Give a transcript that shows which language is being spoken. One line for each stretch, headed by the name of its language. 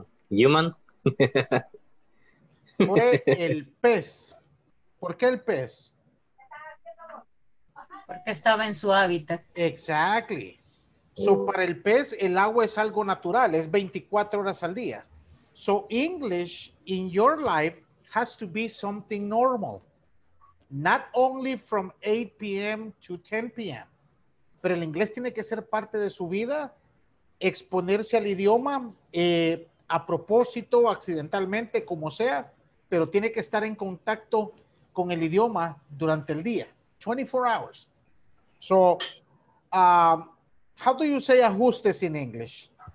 English: Human.
Spanish: Fue el pez. ¿Por qué el pez? Porque estaba en su hábitat.
English: Exactly.
Spanish: So, para el pez, el agua es algo natural, es 24 horas al día.
English: So, English in your life has to be something normal. Not only from 8 p.m. to 10 p.m.
Spanish: Pero el inglés tiene que ser parte de su vida, exponerse al idioma, a propósito, accidentalmente, como sea, pero tiene que estar en contacto con el idioma durante el día,
English: 24 hours. So, how do you say ajustes in English?